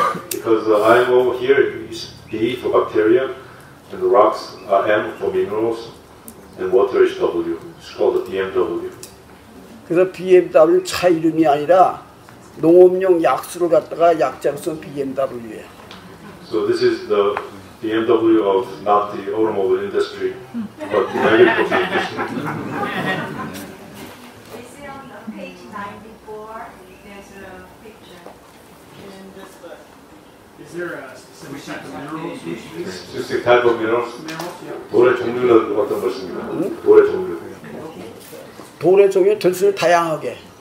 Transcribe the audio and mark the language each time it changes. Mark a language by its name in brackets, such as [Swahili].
[English] Because the IMO here is B for bacteria, and the rocks are M for minerals, and water is W. It's called the BMW. [Korean] 그래서 BMW 차 이름이 아니라 농업용 약수를 갖다가 약자로서 BMW예요. [English] So this is the BMW of not the automobile industry, but the agriculture industry. We see on page 94, there's a picture in this book. Is there a specific type of minerals we should use? Specific type of minerals? Minerals, yeah. [Korean] 돌의 종류는 어떤 것입니까? 돌의 종류. 돌의 종류 전수를 다양하게.